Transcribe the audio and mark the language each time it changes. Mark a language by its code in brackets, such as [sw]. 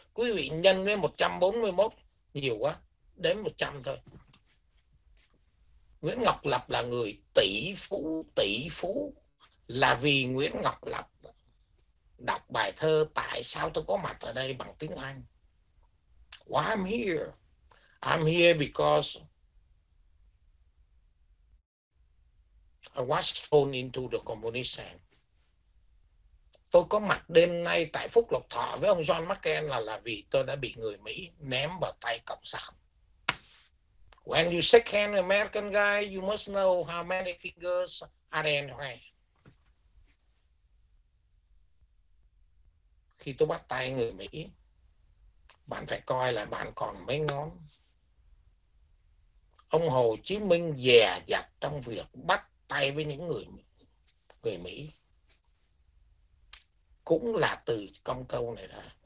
[vi] Quý vị nhân với 141 nhiều quá. Đếm 100 thôi. Nguyễn Ngọc Lập là người tỷ phú, tỷ phú. Là vì Nguyễn Ngọc Lập đọc bài thơ Tại sao tôi có mặt ở đây bằng tiếng Anh. [en] Why I'm here. I'm here because I was thrown into the communist hand. [vi] Tôi có mặt đêm nay tại Phúc Lộc Thọ với ông John McCain là vì tôi đã bị người Mỹ ném vào tay Cộng sản. [en] When you shake hands with an American guy, you must know how many fingers are in your hand. [vi] Khi tôi bắt tay người Mỹ, bạn phải coi là bạn còn mấy ngón. Ông Hồ Chí Minh dè dặt trong việc bắt tay với những người người Mỹ cũng là từ công câu này ra.